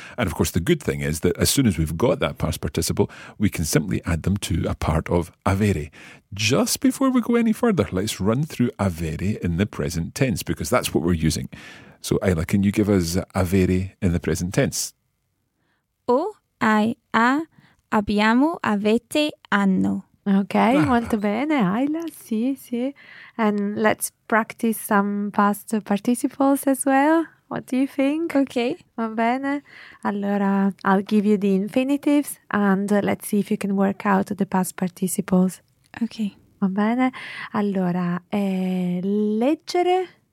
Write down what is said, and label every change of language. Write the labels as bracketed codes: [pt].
[en] And of course, the good thing is that as soon as we've got that past participle, we can simply add them to a part of avere. Just before we go any further, let's run through avere in the present tense, because that's what we're using. So Ayla, can you give us avere in the present tense? [it] O, I, A, abbiamo, avete, hanno. Okay, molto bene, Ayla, sì. [en] And let's practice some past participles as well. What do you think? Okay. [it] Va bene. Allora, [en] I'll give you the infinitives and let's see if you can work out the past participles. Okay. [it] Va bene. Allora, leggere.